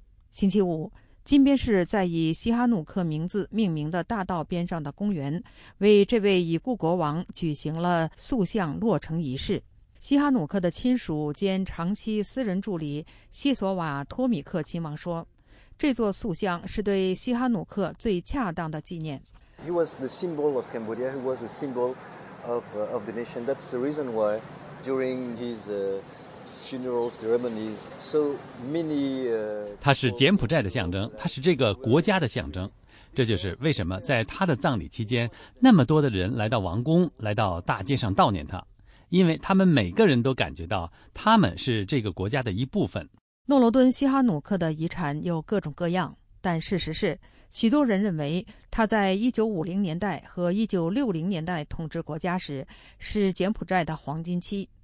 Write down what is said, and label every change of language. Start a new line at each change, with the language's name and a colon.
Chinese: 星期五，金边市在以西哈努克名字命名的大道边上的公园，为这位已故国王举行了塑像落成仪式。西哈努克的亲属兼长期私人助理西索瓦托米克亲王说，这座塑像是对西哈努克最恰当的纪念。
English: He was the symbol of Cambodia. He was a symbol of of the nation. That's the reason why, during his funeral ceremonies, so many.
Chinese: 他是柬埔寨的象征，他是这个国家的象征。这就是为什么在他的葬礼期间，那么多的人来到王宫，来到大街上悼念他，因为他们每个人都感觉到他们是这个国家的一部分。诺罗敦西哈努克的遗产有各种各样，但事实是，许多人认为他在1950年代和1960年代统治国家时是柬埔寨的黄金期。